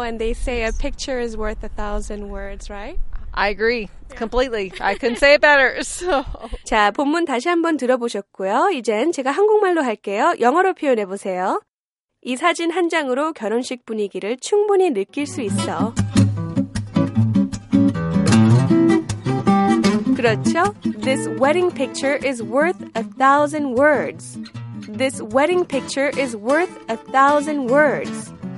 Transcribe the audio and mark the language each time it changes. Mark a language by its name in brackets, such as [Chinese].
[English] And they say a picture is worth a thousand words, right? I agree completely. I couldn't say it better. So. [Korean] 자, 본문 다시 한번 들어보셨고요. 이젠 제가 한국말로 할게요. 영어로 표현해 보세요. 이 사진 한 장으로 결혼식 분위기를 충분히 느낄 수 있어. 그렇죠? [English] This wedding picture is worth a thousand words. This wedding picture is worth a thousand words.